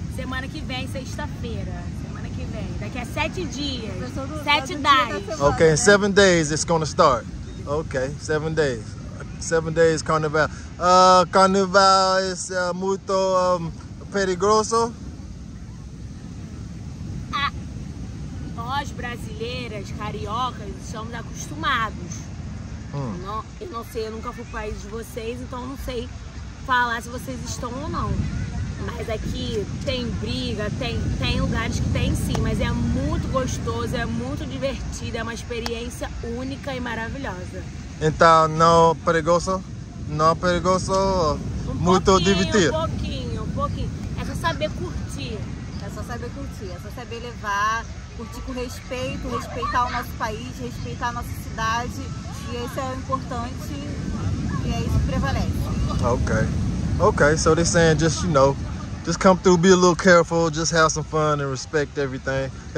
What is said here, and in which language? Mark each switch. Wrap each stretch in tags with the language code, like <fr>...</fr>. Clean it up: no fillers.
<pt>Semana que vem, sexta-feira. Daqui a 7 dias. 7</pt> <en>days. Okay, 7 days it's gonna start. Okay, 7 days. 7 days carnival. Carnival is</en> <pt>muito perigoso. Nós brasileiras, cariocas, estamos acostumados. Eu não sei, eu nunca fui para o país de vocês, então eu não sei falar se vocês estão ou não. Mas aqui tem briga, tem lugares que tem sim, mas é muito gostoso, é muito divertido, é uma experiência única e maravilhosa. Então, não é perigoso? Não é perigoso? Muito divertido. Um pouquinho. É só saber curtir. É só saber levar, curtir com respeito, respeitar o nosso país, respeitar a nossa cidade. E isso é o importante, e é isso que prevalece.</pt> <en>Okay, so they're saying just come through, be a little careful, just have some fun and respect everything.</en>